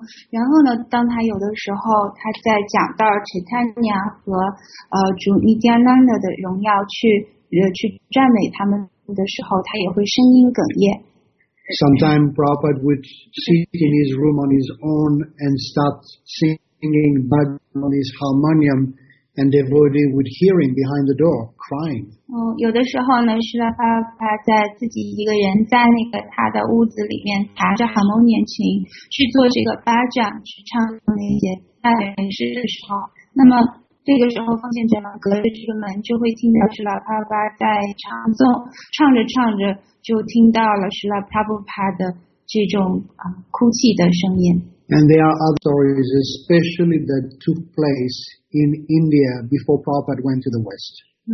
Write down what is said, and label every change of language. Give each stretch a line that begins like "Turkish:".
Chinese: 然后呢当他有的时候他在讲到 Chaitanya 和主 Nityananda 的荣耀去赞美他们的时候他也会声音哽咽。
English: Sometime Prabhupada would sit in his room on his own and start singing Bhajan on his harmonium and devotee would hear him behind the door crying.
Chinese: 有的时候呢是他在自己一个人在那个他的屋子里面弹着 harmonium 琴去做这个巴掌去唱那些大人士的时候。那么这个时候奉献者们隔着这个门就会听到是老爸爸在唱诵唱着唱着就听到了是老爸爸的这种哭泣的声音。
English: And there are other stories, especially that took place in India before Prabhupada went to the West.